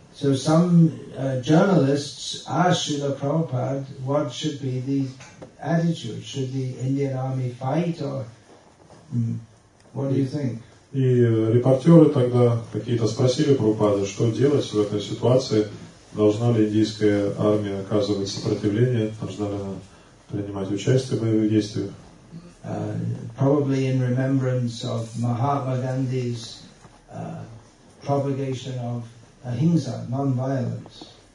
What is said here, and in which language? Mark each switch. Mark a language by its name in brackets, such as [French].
[English] So some journalists asked Srila Prabhupada what should be the attitude. Should the Indian army fight or what do you think? [Russian] И репортеры тогда какие-то спросили Прабхупада, что делать в этой ситуации. Должна ли индийская армия оказывать сопротивление? Должна ли она принимать участие в боевых действиях? [English] Probably in remembrance of Mahatma Gandhi's propagation of ahimsa, non-violence.